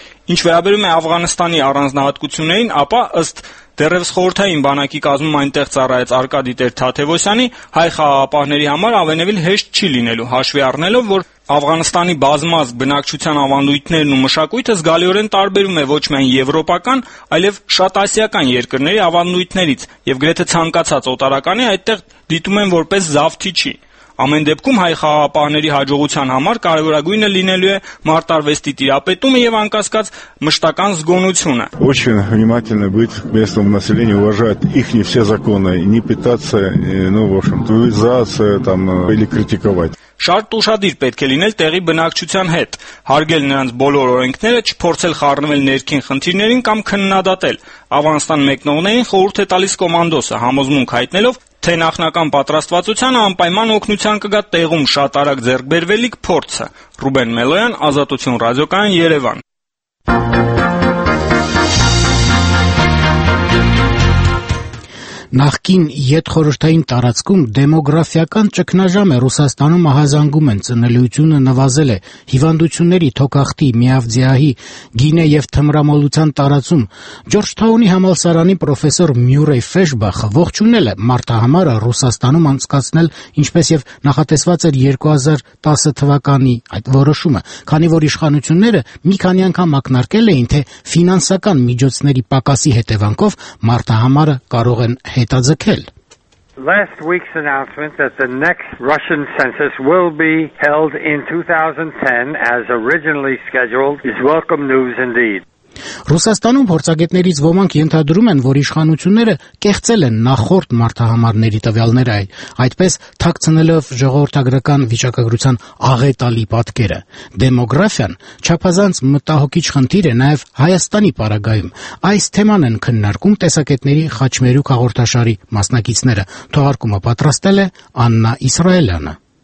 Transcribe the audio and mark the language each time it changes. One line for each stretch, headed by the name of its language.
Armenian: Ինչ վերաբերում է Աֆղանստանի առանձնահատկություններին, ապա ըստ դեռևս խորհրդային բանակի կազմում այնտեղ ծառայած Արկադի Տեր Թաթևոսյանի, հայ խաղաղապահների համար ավենևին հեշտ չի լինելու, հաշվի առնելով, որ Աֆղանստանի բազմազգ բնակչության ավանդույթներն ու մշակույթը զգալիորեն տարբերվում է ոչ միայն եվրոպական, այլև շատ ասիական երկրների ավանդույթներից, և գրեթե ցանկացած օտարականի այդտեղ դիտում են որպես զավթիչի։ Ամեն դեպքում հայ խաղաղապահների հաջողության համար կարևորագույնը լինելու է մարտարվեստի տիրապետումը եւ անկասկած մշտական զգոնությունը։
Russian: Очень внимательно быть к местному населению, уважать ихние все законы, не пытаться, ну, в общем, вызываться там или критиковать.
Armenian: Շարտ ուշադիր պետք է լինել տեղի բնակչության հետ, հարգել նրանց բոլոր օրենքները, չփորձել խառնվել ներքին խնդիրներին կամ քննադատել։ Աֆղանստան մեկնողներին խորհուրդ է տալիս կոմանդոսը, համոզմունք հայտնելով, թե նախնական պատրաստվածության անպայման օգնության կգա տեղում շատ արագ ձեռքբերվելիք փորձը։ Ռուբեն Մելոյան, Ազատություն ռադիոկայան, Երևան։ Նախկին յետխորհրդային տարածքում դեմոգրաֆիական ճգնաժամ է Ռուսաստանում ահազանգում են ծնելիությունը նվազել է հիվանդությունների թոքախտի միավձիահի գինե և թմրամոլության տարածում Ջորջթաունի համալսարանի պրոֆեսոր Մյուրեյ Ֆեշբախը ողջունել է մարտահամարը Ռուսաստանում անցկացնել ինչպես և նախատեսված էր 2010 թվականի այդ որոշումը քանի որ իշխանությունները մի քանի անգամ ակնարկել էին թե ֆինանսական միջոցների պակասի հետևանքով մարտահամարը կարող են հետաձգել.
English: Last week's announcement that the next Russian census will be held in 2010 as originally scheduled is welcome news indeed.
Armenian: Ռուսաստանում փորձագետներից ոմանք ենթադրում են, որ իշխանությունները կեղծել են նախորդ մարտահամարների տվյալները, այդպես թաքցնելով ժողովրդագրական վիճակագրության աղետալի պատկերը։ Դեմոգրաֆիան չափազանց մտահոգիչ խնդիր է նաև Հայաստանի պարագայում։ Այս թեման են քննարկում տեսակետների Խաչմերուկ հաղորդաշարի մասնակիցները։ Թողարկումը պատրաստել է Աննա Իսրայելյանը։